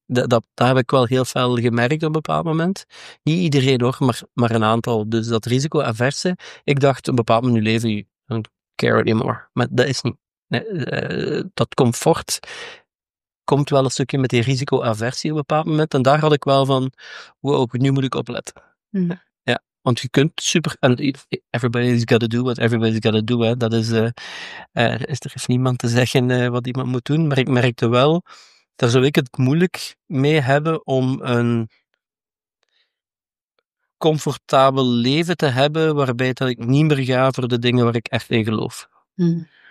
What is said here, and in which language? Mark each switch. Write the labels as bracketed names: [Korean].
[Dutch] Dat heb ik wel heel veel gemerkt op een bepaald moment. Niet iedereen hoor, maar een aantal. Dus dat risico-averse, ik dacht op een bepaald moment in je leven, [English] I don't care anymore. [Dutch] Maar dat is niet. Dat comfort komt wel een stukje met die risico-aversie op een bepaald moment. En daar had ik wel van, wow, nu moet ik opletten. Mm. Ja, want je kunt super... [English] And everybody's got to do what everybody's got to do. [Dutch] Hè. Dat is, is... Er is niemand te zeggen wat iemand moet doen. Maar ik merkte wel, daar zou ik het moeilijk mee hebben om een comfortabel leven te hebben waarbij dat ik niet meer ga voor de dingen waar ik echt in geloof. Mm.